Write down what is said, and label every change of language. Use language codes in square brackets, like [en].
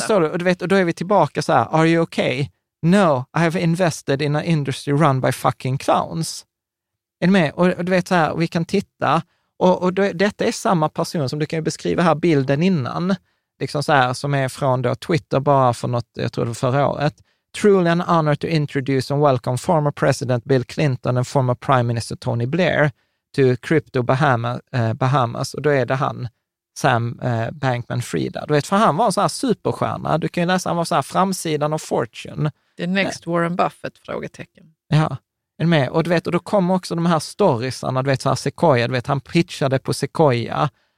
[sv] Förstår du? Och, du vet, och då är vi tillbaka så här, [en] are you okay? No, I have invested in an industry run by fucking clowns. [sv] Är du med? Och du vet så här, vi kan titta. Och då, detta är samma person som du kan beskriva här bilden innan. Liksom så här, som är från då Twitter bara för något, jag tror det var förra året. [en] Truly an honor to introduce and welcome former President Bill Clinton and former Prime Minister Tony Blair to Crypto Bahamas. [sv] Och då är det han, Sam Bankman-Fried. Du vet, för han var en sån här superstjärna. Du kan ju läsa, han var så här framsidan av Fortune. [en] The next Warren Buffett, [sv] frågetecken. Ja, är du med? Och du vet, och då kom också de här storiesarna, du vet, så här Sequoia, du vet, han pitchade på Sequoia.